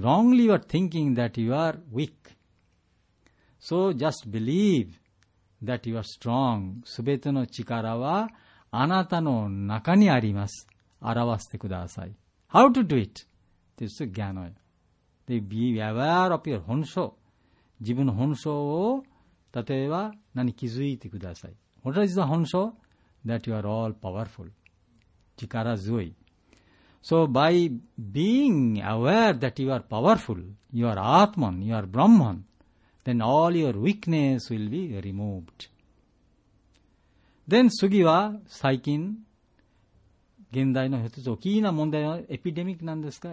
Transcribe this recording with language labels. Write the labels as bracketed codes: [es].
[en] Wrongly you are thinking that you are weak. So, just believe that you are strong. [ja] すべての力はあなたの中にあります。表してください。 [en] How to do it? This is Gyanoya. Be aware of your 本性。 [ja] 自分の本性を例えば何気づいてください。 [en] What is the 本性?That you are all powerful. [ja] 力強い。 [en] So by being aware that you are powerful, you are Atman, you are Brahman, then all your weakness will be removed. [ja] Then 次は最近、現代の一つ大きな問題はエピデミックなんですか？